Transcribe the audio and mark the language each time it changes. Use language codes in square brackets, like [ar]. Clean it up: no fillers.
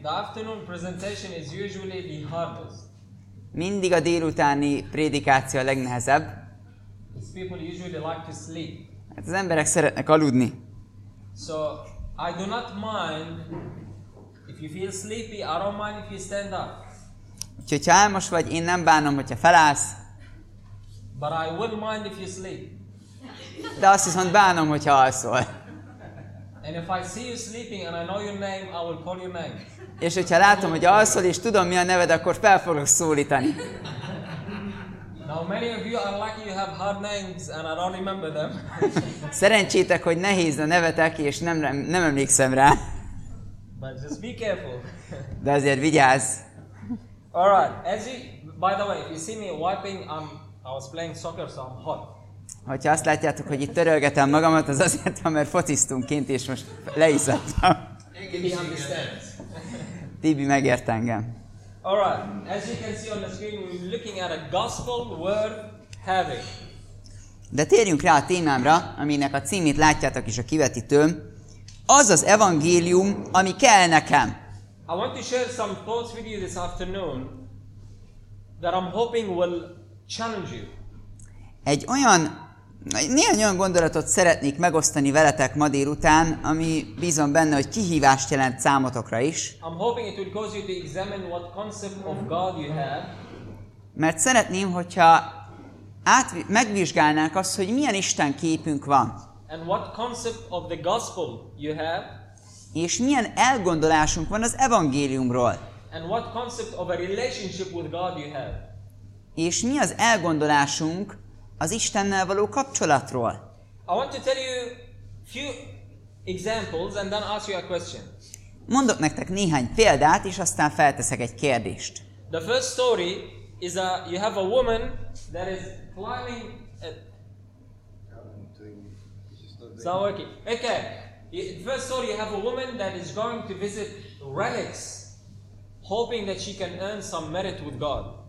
[en] The afternoon presentation is usually the hardest. [hu] Mindig a délutáni prédikáció a legnehezebb. [en] People usually like to sleep. [hu] Hát az emberek szeretnek aludni. [en] So I do not mind if you feel sleepy. I don't mind if you stand up. [hu] Úgyhogy, ha álmos vagy, én nem bánom, hogyha felállsz. [en] But I will mind if you sleep. [hu] De azt viszont bánom, hogyha alszol. [en] And if I see you sleeping and I know your name, I will call your name. [hu] És hogyha látom, hogy alszol és tudom mi a neved, akkor fel fogok szólítani. [en] Now many of you are lucky you have hard names and I don't remember them. [hu] Szerencsétek, hogy nehéz a nevetek és nem emlékszem rá. [en] But just be careful. [hu] De azért vigyázz. [en] All right. As you, by the way, if you see me wiping, I was playing soccer, so I'm hot. [hu] Hogyha azt látjátok, hogy itt törölgetem magamat, az azért, mert fociztunk kint és most leizzadtam. [en] Tibi understand. [hu] Tibi megért engem. [en] All right. As you can see on the screen, we're looking at a gospel worth having. [hu] De térjünk rá a témámra, aminek a címét látjátok is a kivetítőm. Az az evangélium, ami kell nekem. [en] I want to share some thoughts with you this afternoon that I'm hoping will challenge you. [hu] Egy olyan, néhány olyan gondolatot szeretnék megosztani veletek ma délután, ami bízom benne, hogy kihívást jelent számotokra is. [en] I'm hoping it will cause you to examine what concept of God you have. [hu] Mert szeretném, hogyha megvizsgálnánk azt, hogy milyen Isten képünk van. [en] And what concept of the gospel you have. [hu] És milyen elgondolásunk van az evangéliumról. [en] And what concept of a relationship with God you have. [hu] És mi az elgondolásunk az Istennel való kapcsolatról. [en] I want to tell you few examples and then ask you a question. [hu] Mondok nektek néhány példát, és aztán felteszek egy kérdést. [en] The first story is a you have a woman that is climbing a... Okay. The first story you have a woman that is going to visit relics hoping that she can earn some merit with God.